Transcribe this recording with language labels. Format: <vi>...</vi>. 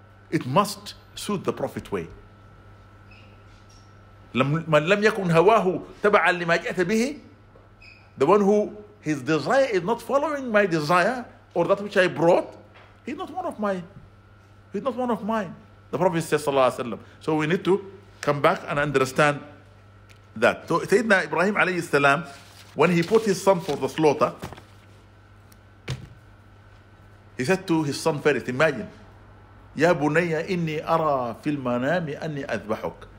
<en>It must suit the Prophet way.</en> <ar>من لم يكن هواه تبعا لما جاءت به,</ar> <en>the one who his desire is not following my desire or that which I brought, he's not one of mine. The Prophet says صلى الله عليه وسلم. So we need to come back and understand that. So Sayyidina Ibrahim عليه السلام, when he put his son for the slaughter, he said to his son first, imagine,</en> <ar>يا بني إني أرى في المنام أني أذبحك.</ar>